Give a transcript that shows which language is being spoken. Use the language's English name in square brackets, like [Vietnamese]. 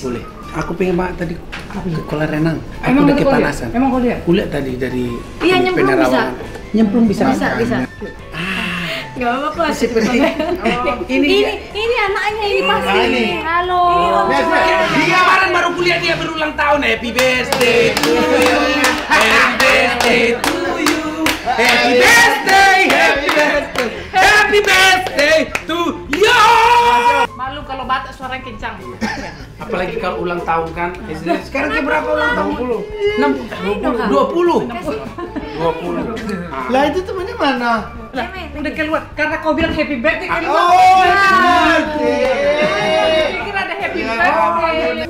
[Indonesian] Boleh. Aku pengen banget tadi ke kolam renang. Aku udah kepanasan. Emang kau lihat? Kulihat tadi dari iya, nyemplung bisa. Nyemplung bisa. Bisa, bisa. Gak apa-apa sih seperti ini anaknya ini pasti ini. Halo dia kemarin baru kuliah dia berulang tahun. [English] Happy birthday to you, happy birthday to you, happy birthday, happy birthday, happy birthday to you. [Indonesian] Malu kalau batak suara kencang. Apalagi kalau ulang tahun kan. Nah, sekarang dia berapa ulang tahun? 20. 20. 20. Lah itu temannya mana? Nah, udah keluar karena kau bilang [English] happy birthday [Indonesian] keluar. Oh, [English] happy birthday. [Indonesian] Kira ada [English] happy birthday.